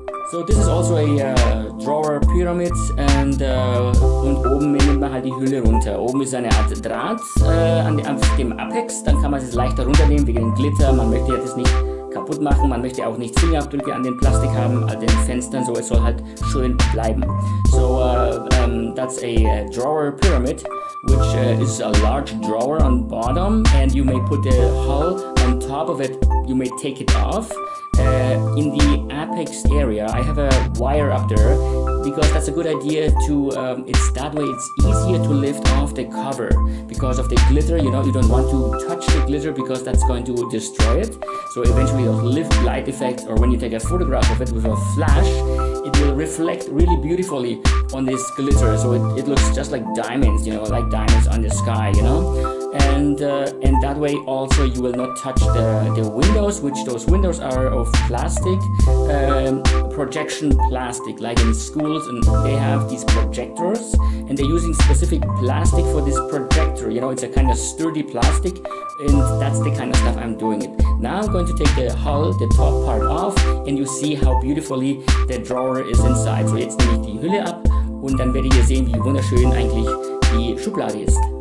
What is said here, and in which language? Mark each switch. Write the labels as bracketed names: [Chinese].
[English] So, this is also a drawer pyramid [German] und oben nimmt man halt die Hülle runter. Oben ist eine Art Draht an dem Apex, dann kann man es leichter runternehmen wegen dem Glitter. Man möchte ja das nicht kaputt machen, man möchte auch nicht Fingerabdrücke an dem Plastik haben, an den Fenstern, so es soll halt schön bleiben. [English] So, that's a drawer pyramid, which is a large drawer on bottom and you may put the hull on top of it, you may take it off. In the apex area, I have a wire up there because that's a good idea to, it's that way it's easier to lift off the cover because of the glitter, you know, you don't want to touch the glitter because that's going to destroy it. So eventually those lift light effects or when you take a photograph of it with a flash, it will reflect really beautifully on this glitter. So it looks just like diamonds, you know, like diamonds on the sky, you know. And that way also you will not touch the windows, which those windows are of plastic, projection plastic, like in schools, and they have these projectors and they're using specific plastic for this projector, you know, it's a kind of sturdy plastic, and that's the kind of stuff I'm doing it. Now I'm going to take the hull, the top part off, and you see how beautifully the drawer is inside. [German] So jetzt nehme ich die Hülle ab und dann werdet ihr sehen, wie wunderschön eigentlich die Schublade ist.